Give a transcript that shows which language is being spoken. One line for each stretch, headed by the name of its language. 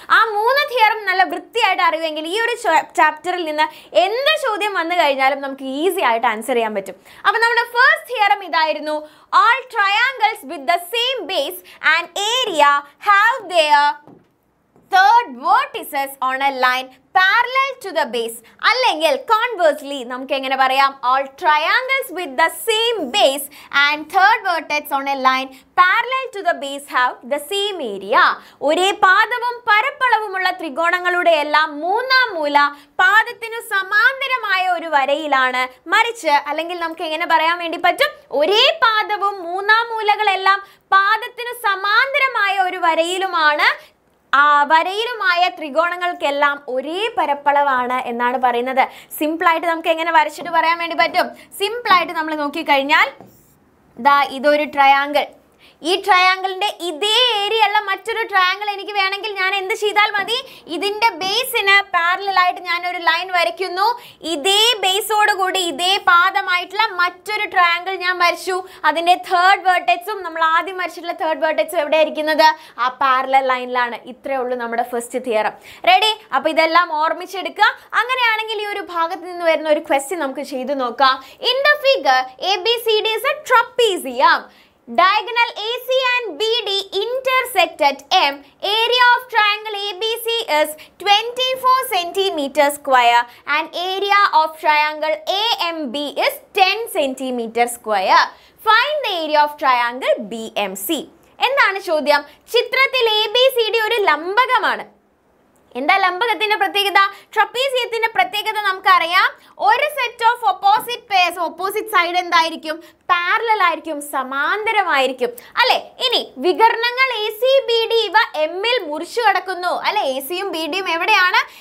Malayalam: ആ 3 തിയറം നല്ല വൃത്തിയായിട്ട് അറിയുമെങ്കിൽ ഈ ഒരു ചാപ്റ്ററിൽ നിന്ന് എന്ത് ചോദ്യം വന്നു കഴിഞ്ഞാലും നമുക്ക് ഈസി ആയിട്ട് ആൻസർ ചെയ്യാൻ പറ്റും. അപ്പൊ നമ്മുടെ ഫസ്റ്റ് തിയറം ഇതായിരുന്നു,
English: All triangles with the same base and area have their third vertices on a line parallel to the base.
Malayalam: അല്ലെങ്കിൽ conversely നമുക്ക് എങ്ങനെ പറയാം,
English: all triangles with the same base and third vertex on a line parallel to the base have the same area.
Malayalam: ഒരേ പാദവും പരപ്പളവുമുള്ള ത്രികോണങ്ങളുടെ എല്ലാം മൂന്നാം മൂല പാദത്തിന് സമാന്തരമായ ഒരു വരയിലാണ്. മറിച്ച് അല്ലെങ്കിൽ നമുക്ക് എങ്ങനെ പറയാൻ വേണ്ടി പറ്റും, ഒരേ പാദവും മൂന്നാം മൂലകളെല്ലാം പാദത്തിന് സമാന്തരമായ ഒരു വരയിലുമാണ്, ആ വരയിലുമായ ത്രികോണങ്ങൾക്കെല്ലാം ഒരേ പരപ്പളവാണ് എന്നാണ് പറയുന്നത്. സിമ്പിളായിട്ട് നമുക്ക് എങ്ങനെ വരച്ചിട്ട് പറയാൻ വേണ്ടി പറ്റും, സിമ്പിളായിട്ട് നമ്മൾ നോക്കിക്കഴിഞ്ഞാൽ ദാ ഇതൊരു ട്രയാങ്കിൾ. ഈ ട്രയാങ്കിളിൻ്റെ ഇതേ ഏരിയ ഉള്ള മറ്റൊരു ട്രയാങ്കിൾ എനിക്ക് വേണമെങ്കിൽ ഞാൻ എന്ത് ചെയ്താൽ മതി, ഇതിൻ്റെ ബേസിന് പാരലലായിട്ട് ഞാനൊരു ലൈൻ വരയ്ക്കുന്നു. ഇതേ ബേസോടുകൂടി ഇതേ പാദമായിട്ടുള്ള മറ്റൊരു ട്രയാങ്കിൾ ഞാൻ വരച്ചു. അതിൻ്റെ തേർഡ് വേർട്ടെക്സും നമ്മൾ ആദ്യം വരച്ചിട്ടുള്ള തേർഡ് വേർട്ടെക്സും എവിടെ ആയിരിക്കുന്നത്, ആ പാരലൽ ലൈനിലാണ്. ഇത്രയേ ഉള്ളൂ നമ്മുടെ ഫസ്റ്റ് തിയറം. റെഡി? അപ്പോൾ ഇതെല്ലാം ഓർമ്മിച്ചെടുക്കുക. അങ്ങനെയാണെങ്കിൽ ഈ ഒരു ഭാഗത്ത് നിന്ന് വരുന്ന ഒരു ക്വസ്റ്റ്യൻ നമുക്ക് ചെയ്തു നോക്കാം.
English: In the figure A B C D is a trapezium. Diagonal AC and BD intersect at M. Area of triangle ABC is 24 cm square and area of triangle AMB is 10 cm square. Find the area of triangle BMC.
Malayalam: എന്താണ് ചോദ്യം? ചിത്രത്തിൽ ABCD ഒരു ലംബകമാണ്. എന്താ ലംബകത്തിന്റെ പ്രത്യേകത? ട്രപീസിയത്തിന്റെ പ്രത്യേകത നമുക്കറിയാം, ഒരു
English: set of opposite pairs,
Malayalam: opposite side എന്തായിരിക്കും? പാരലൽ ആയിരിക്കും, സമാന്തരമായിരിക്കും, അല്ലെ. ഇനി വികർണങ്ങൾ എ സി ബി ഡി ഇവ എമ്മിൽ മുറിച്ചു കടക്കുന്നു, അല്ലെ. എ സിയും ബി ഡിയും എവിടെയാണ്?